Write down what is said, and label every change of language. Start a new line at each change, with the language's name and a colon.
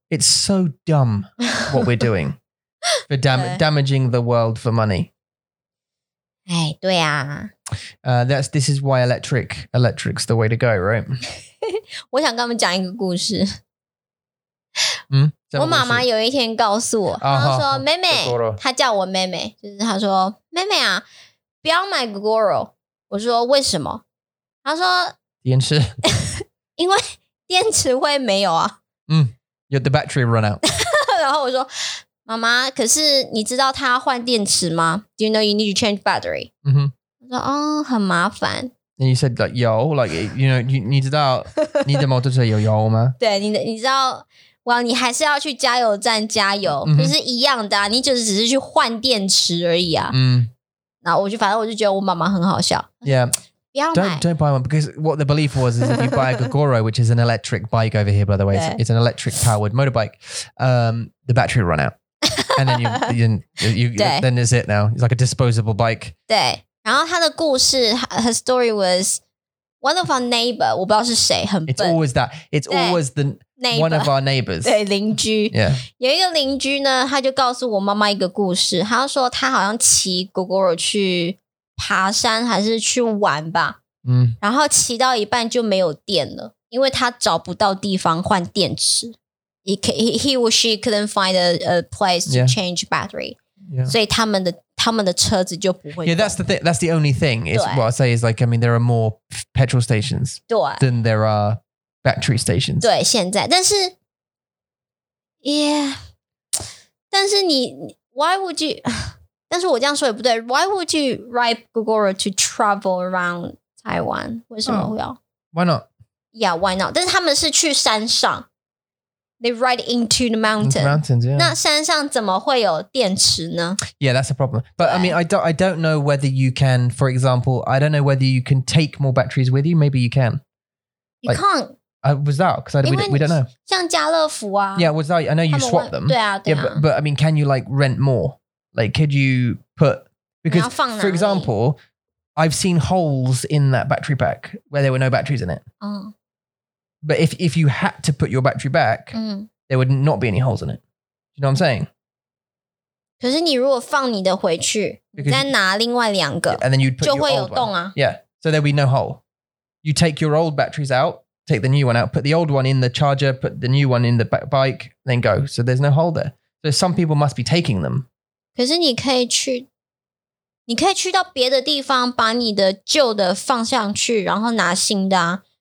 English: It's so dumb what we're doing for damaging the world for money.
Chinese: 哎，对啊。
English: This is why electric's the way to go, right?
Chinese: 我想跟他们讲一个故事。嗯，我妈妈有一天告诉我，她说：“妹妹，她叫我妹妹，就是她说，妹妹啊，不要买 Goro。” 我说：“为什么？” 她说：“ 电池，因为电池会没有啊。”
English: 嗯。The battery run out.
Chinese: 然后我说，妈妈，可是你知道他要换电池吗？
English: Do you know you need to change battery?
Chinese: 嗯哼。我说，哦，很麻烦。
English: And you said, like, 有 like, you know,
Chinese: 你知道你的摩托车有油吗？对，你知道，
English: well,
Chinese: 你还是要去加油站加油，不是一样的啊，你就只是去换电池而已啊。嗯。然后反正我就觉得我妈妈很好笑。
English: Yeah. Don't buy one because what the belief was is if you buy a Gogoro, which is an electric bike over here, by the way, it's an electric powered motorbike, the battery will run out. And then then is it now. It's like a disposable bike.
Chinese: 对。然后他的故事,
English: her story was one of our neighbor,
Chinese: 我不知道是谁, 很笨。
English: It's always that. It's always the neighbor, one of our neighbors.
Chinese: 对,邻居。
English: Yeah.
Chinese: 有一个邻居呢,他就告诉我妈妈一个故事。他说他好像骑 Gogoro 去爬山还是去玩吧，嗯，然后骑到一半就没有电了，因为他找不到地方换电池。
English: He or she couldn't find a place to change battery. Yeah.
Chinese: 所以他们的车子就不会。
English: Yeah, that's the thing. That's the only thing. Is what I say is like, I mean, there are more petrol stations than there are battery stations.
Chinese: 对，现在，但是 ，Yeah， 但是你 ，
English: Why would you？
Chinese: 但是我这样说也不对。
English: Why would you ride Gogoro to travel around Taiwan？
Chinese: 为什么会要、
English: Why not？ Yeah， Why not？
Chinese: 但是他们是去山上。
English: They ride into the mountain. Into mountains, yeah.
Chinese: 那山上怎么会有电池呢?
English: Yeah, that's a problem. But I mean, I don't know whether you can, for example, I don't know whether you can take more batteries with you. Maybe you can. You like, can't. We don't know.
Chinese: 像家乐福啊。
English: Yeah, I know you swap them.
Chinese: 对啊, 对啊。
English: Yeah, but I mean, can you like rent more? Like, could you put, because
Chinese: 你要放哪里?
English: For example, I've seen holes in that battery pack where there were no batteries in it. Oh. Uh-huh. But if you had to put your battery back,、there would not be any holes in it. You know what I'm saying?
Chinese: 可是你如果放你的回去,你再拿另外两个,
English: and then you'd put your old one.
Chinese: 就会有洞啊。
English: Yeah, so there'd be no hole. You take your old batteries out, take the new one out, put the old one in the charger, put the new one in the bike, then go. So there's no hole there. So some people must be taking them.
Chinese: 可是你可以去,你可以去到别的地方把你的旧的放上去然后拿新的啊。